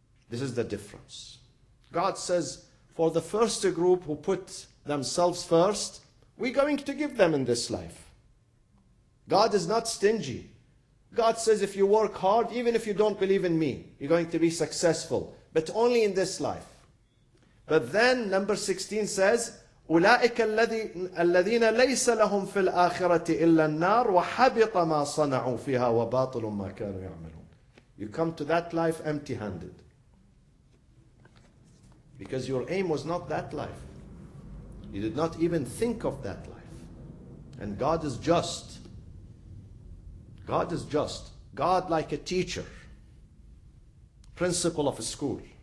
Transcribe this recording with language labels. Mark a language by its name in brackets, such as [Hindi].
[English] This is the difference. God says, for the first group who put themselves first, we're going to give them in this life. God is not stingy. God says, if you work hard, even if you don't believe in me, you're going to be successful, but only in this life. But then number 16 says, [Arabic] أُولَٰئِكَ الَّذِينَ لَيْسَ لَهُمْ فِي الْآخِرَةِ إِلَّا النَّارِ وَحَبِطَ مَا صَنَعُوا فِيهَا وَبَاطِلٌ مَا كَانُوا يَعْمَلُونَ. [English] You come to that life empty-handed. Because your aim was not that life. You did not even think of that life. And God is just. God is just. God, like a teacher, principal of a school.